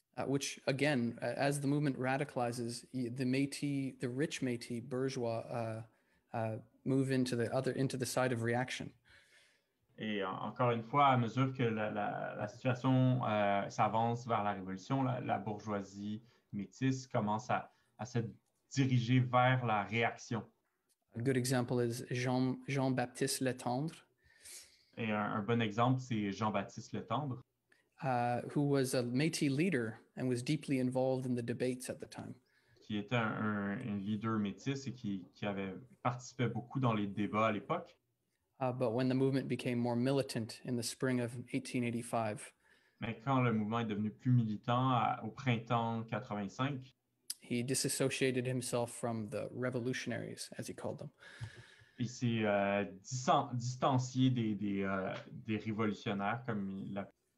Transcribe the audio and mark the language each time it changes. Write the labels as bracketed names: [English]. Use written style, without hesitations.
[English] Which again, as the movement radicalizes, the rich Métis bourgeois move into the side of reaction. [French] Et encore une fois, à mesure que la situation s'avance vers la révolution, la bourgeoisie métisse commence à se diriger vers la réaction. [English] A good example is Jean-Baptiste Letendre. [French] Et un bon exemple, c'est Jean-Baptiste Letendre. [English] Who was a Métis leader and was deeply involved in the debates at the time. [French] Qui était un leader métis et qui avait participé beaucoup dans les débats à l'époque. [English] But when the movement became more militant in the spring of 1885, [French] mais quand le mouvement est devenu plus militant au printemps 85, [English] he disassociated himself from the revolutionaries, as he called them. [French] Il s'est distancié des révolutionnaires comme il l'appelait.